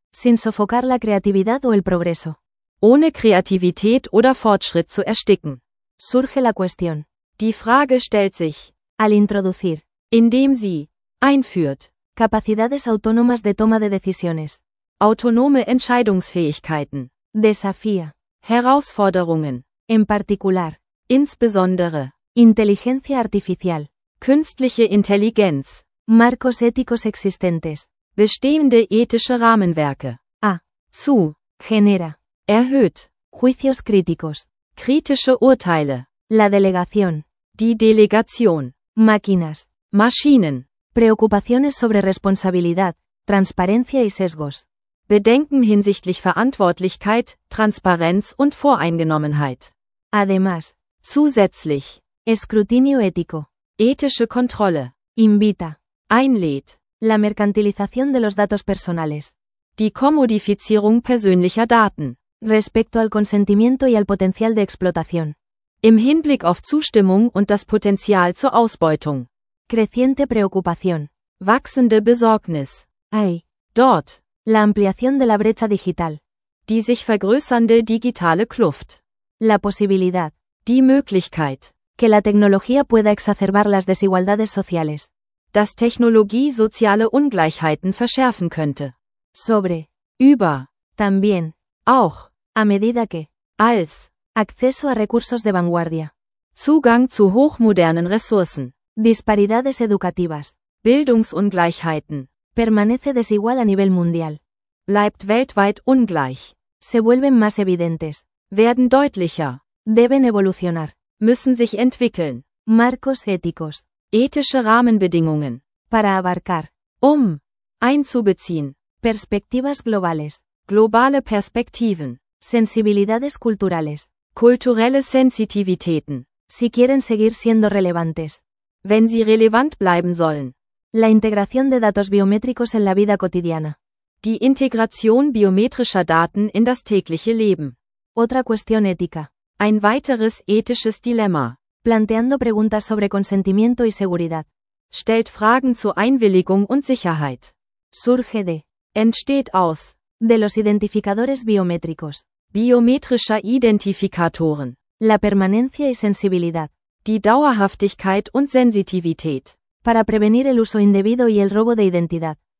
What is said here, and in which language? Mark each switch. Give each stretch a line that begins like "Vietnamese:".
Spanish: Sin sofocar la creatividad o el progreso.
German: Ohne Kreativität oder Fortschritt zu ersticken.
Spanish: Surge la cuestión.
German: Die Frage stellt sich.
Spanish: Al introducir.
German: Indem sie. Einführt.
Spanish: Capacidades autónomas de toma de decisiones.
German: Autonome Entscheidungsfähigkeiten.
Spanish: Desafía.
German: Herausforderungen.
Spanish: En particular.
German: Insbesondere.
Spanish: Inteligencia artificial.
German: Künstliche Intelligenz.
Spanish: Marcos éticos existentes.
German: Bestehende ethische Rahmenwerke.
Spanish: A.
German: Zu.
Spanish: Genera.
German: Erhöht.
Spanish: Juicios críticos.
German: Kritische Urteile.
Spanish: La delegación.
German: Die Delegation.
Spanish: Máquinas.
German: Maschinen.
Spanish: Preocupaciones sobre responsabilidad, transparencia y sesgos.
German: Bedenken hinsichtlich Verantwortlichkeit, Transparenz und Voreingenommenheit.
Spanish: Además.
German: Zusätzlich.
Spanish: Escrutinio ético.
German: Ethische Kontrolle.
Spanish: Invita.
German: Einlädt.
Spanish: La mercantilización de los datos personales.
German: Die Kommodifizierung persönlicher Daten.
Spanish: Respecto al consentimiento y al potencial de explotación.
German: Im Hinblick auf Zustimmung und das Potenzial zur Ausbeutung.
Spanish: Creciente preocupación.
German: Wachsende Besorgnis.
Spanish: Ay.
German: Dort.
Spanish: La ampliación de la brecha digital.
German: Die sich vergrößernde digitale Kluft.
Spanish: La posibilidad.
German: Die Möglichkeit.
Spanish: Que la tecnología pueda exacerbar las desigualdades sociales.
German: Dass Technologie soziale Ungleichheiten verschärfen könnte.
Spanish: Sobre.
German: Über.
Spanish: También.
German: Auch.
Spanish: A medida que.
German: Als.
Spanish: Acceso a recursos de vanguardia.
German: Zugang zu hochmodernen Ressourcen.
Spanish: Disparidades educativas.
German: Bildungsungleichheiten.
Spanish: Permanece desigual a nivel mundial.
German: Bleibt weltweit ungleich.
Spanish: Se vuelven más evidentes.
German: Werden deutlicher.
Spanish: Deben evolucionar.
German: Müssen sich entwickeln.
Spanish: Marcos éticos.
German: Ethische Rahmenbedingungen.
Spanish: Para abarcar.
German: Um. Einzubeziehen.
Spanish: Perspectivas globales.
German: Globale Perspektiven.
Spanish: Sensibilidades culturales.
German: Kulturelle Sensitivitäten.
Spanish: Si quieren seguir siendo relevantes.
German: Wenn sie relevant bleiben sollen.
Spanish: La integración de datos biométricos en la vida cotidiana.
German: Die Integration biometrischer Daten in das tägliche Leben.
Spanish: Otra cuestión ética.
German: Ein weiteres ethisches Dilemma.
Spanish: Planteando preguntas sobre consentimiento y seguridad.
German: Stellt Fragen zur Einwilligung und Sicherheit.
Spanish: Surge de.
German: Entsteht aus.
Spanish: De los identificadores biométricos.
German: Biometrischer Identifikatoren.
Spanish: La permanencia y sensibilidad.
German: Die Dauerhaftigkeit und Sensitivität.
Spanish: Para prevenir el uso indebido y el robo de identidad.